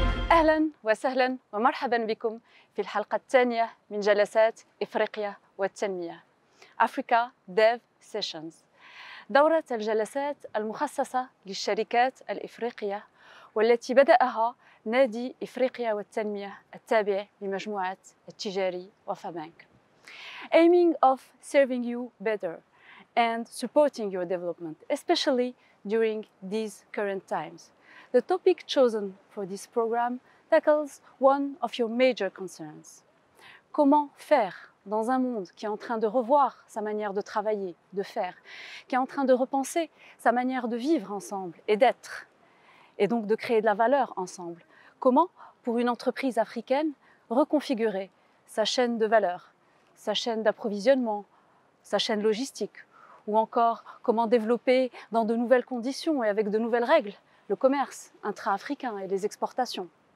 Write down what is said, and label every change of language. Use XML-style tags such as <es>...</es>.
<ar>اهلا وسهلا ومرحبا بكم في الحلقه الثانيه من جلسات افريقيا والتنميه افريكا ديف سيشنز، دوره الجلسات المخصصه للشركات الافريقيه والتي بداها نادي افريقيا والتنميه التابع لمجموعه التجاري وفابانك.</ar> <en>Aiming of serving you better and supporting your development, especially during these current times. The topic chosen for this program tackles one of your major concerns.</en> <fr>Comment faire dans un monde qui est en train de revoir sa manière de travailler, de faire, qui est en train de repenser sa manière de vivre ensemble et d'être, et donc de créer de la valeur ensemble? Comment, pour une entreprise africaine, reconfigurer sa chaîne de valeur, sa chaîne d'approvisionnement, sa chaîne logistique, ou encore comment développer dans de nouvelles conditions et avec de nouvelles règles le commerce intra-africain et les exportations?</fr>